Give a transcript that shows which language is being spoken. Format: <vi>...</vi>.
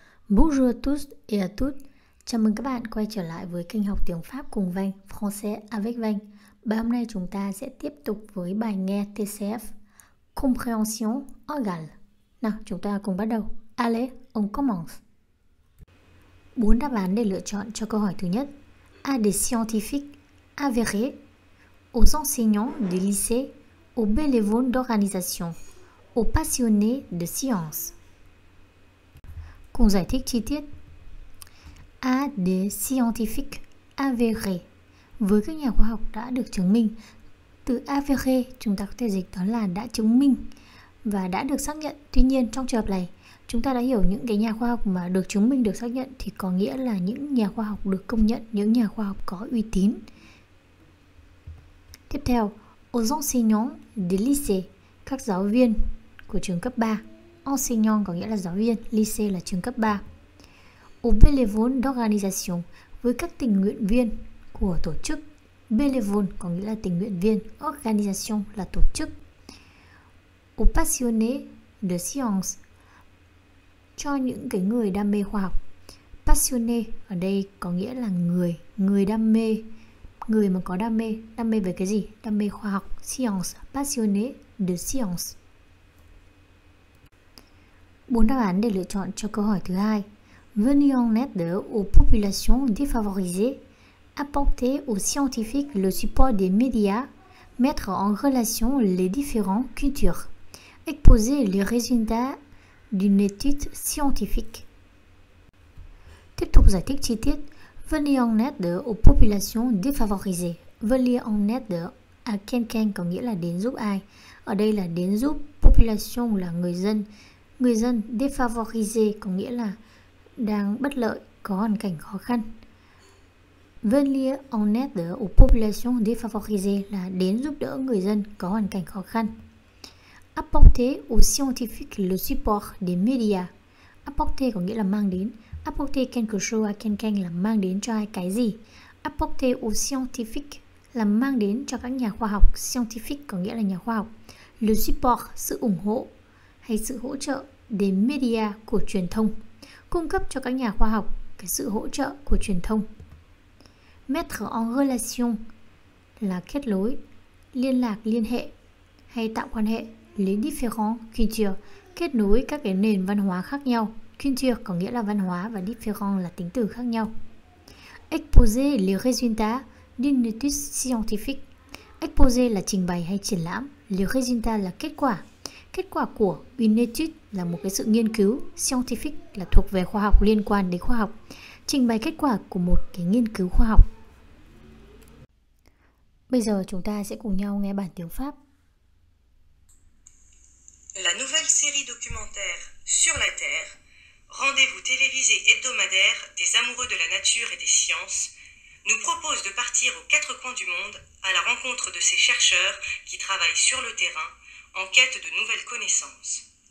<fr>Bonjour à tous et à toutes.</fr> <vi>Chào mừng các bạn quay trở lại với kênh học tiếng Pháp cùng Vanh,</vi> <fr>Français avec Vanh.</fr> <vi>Bài hôm nay chúng ta sẽ tiếp tục với bài nghe TCF,</vi> <fr>Compréhension orale.</fr> <vi>Nào, chúng ta cùng bắt đầu.</vi> <fr>Allez, on commence.</fr> <vi>4 đáp án để lựa chọn cho câu hỏi thứ nhất.</vi> <fr>À des scientifiques avérés, aux enseignants de lycée, aux bénévoles d'organisation, aux passionnés de science.</fr> <vi>Cùng giải thích chi tiết.</vi> <fr>À des scientifiques avérés.</fr> <vi>Với các nhà khoa học đã được chứng minh. Từ avéré chúng ta có thể dịch đó là đã chứng minh và đã được xác nhận. Tuy nhiên trong trường hợp này, chúng ta đã hiểu những cái nhà khoa học mà được chứng minh, được xác nhận thì có nghĩa là những nhà khoa học được công nhận, những nhà khoa học có uy tín. Tiếp theo,</vi> <fr>aux enseignants de lycée,</fr> <vi>các giáo viên của trường cấp 3. Enseignant có nghĩa là giáo viên, lycée là trường cấp 3.</vi> <fr>Aux bénévoles d'organisation,</fr> <vi>với các tình nguyện viên của tổ chức. Bénévoles có nghĩa là tình nguyện viên, organisation là tổ chức.</vi> <fr>Aux passionnés de science,</fr> <vi>cho những cái người đam mê khoa học. Passionné ở đây có nghĩa là người, người đam mê, người mà có đam mê về cái gì? Đam mê khoa học, science,</vi> <fr>passionné de science.</fr> <vi>4 đáp án để lựa chọn cho câu hỏi thứ hai.</vi> <fr>Venu en aide aux populations défavorisées, apporter aux scientifiques le support des médias, mettre en relation les différentes cultures, exposer les résultats d'une étude scientifique.</fr> <vi>Tiếp tục giải thích chi tiết.</vi> <fr>Venu en aide aux populations défavorisées. Venu en aide à quelqu'un</fr> <vi>có nghĩa là đến giúp ai. Ở đây là đến giúp population là người dân. Người dân défavorisé có nghĩa là đang bất lợi, có hoàn cảnh khó khăn.</vi> <fr>Venir en aide aux populations défavorisées</fr> <vi>là đến giúp đỡ người dân có hoàn cảnh khó khăn.</vi> <fr>Apporter aux scientifiques le support des médias.</fr> <vi>Apporter có nghĩa là mang đến.</vi> <fr>Apporter quelque chose à quelqu'un</fr> <vi>là mang đến cho ai cái gì.</vi> <fr>Apporter aux scientifiques</fr> <vi>là mang đến cho các nhà khoa học. Scientifique có nghĩa là nhà khoa học.</vi> <fr>Le support,</fr> <vi>sự ủng hộ hay sự hỗ trợ,</vi> <fr>des médias</fr> <vi>của truyền thông. Cung cấp cho các nhà khoa học cái sự hỗ trợ của truyền thông.</vi> <fr>Mettre en relation</fr> <vi>là kết nối, liên lạc, liên hệ hay tạo quan hệ.</vi> <fr>Les différents cultures,</fr> <vi>kết nối các cái nền văn hóa khác nhau. Culture có nghĩa là văn hóa và différent là tính từ khác nhau.</vi> <fr>Exposer les résultats d'une étude scientifique.</fr> <vi>Exposer là trình bày hay triển lãm. Les résultats là kết quả. Kết quả của</vi> <fr>une étude</fr> <vi>là một cái sự nghiên cứu, scientifique là thuộc về khoa học, liên quan đến khoa học. Trình bày kết quả của một cái nghiên cứu khoa học. Bây giờ chúng ta sẽ cùng nhau nghe bản tiếng Pháp.</vi> <fr>La nouvelle série documentaire Sur la Terre, rendez-vous télévisé hebdomadaire des amoureux de la nature et des sciences, nous propose de partir aux quatre coins du monde à la rencontre de ces chercheurs qui travaillent sur le terrain en quête de nouvelles connaissances.</fr>